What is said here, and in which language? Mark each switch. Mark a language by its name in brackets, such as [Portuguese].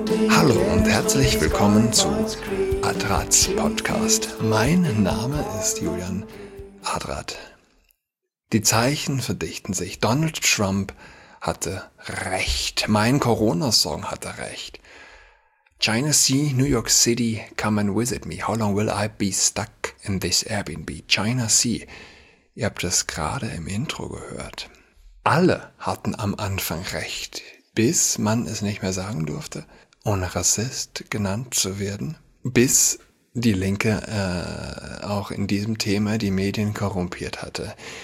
[German] Hallo und herzlich willkommen zu Adrats Podcast. Mein Name ist Julian Adrat. Die Zeichen verdichten sich. Donald Trump hatte recht. Mein Corona-Song hatte recht. [English] China Sea, New York City, come and visit me. How long will I be stuck in this Airbnb? China Sea. [German] Ihr habt das gerade im Intro gehört. Alle hatten am Anfang recht, bis man es nicht mehr sagen durfte, ohne Rassist genannt zu werden, bis die Linke auch in diesem Thema die Medien korrumpiert hatte.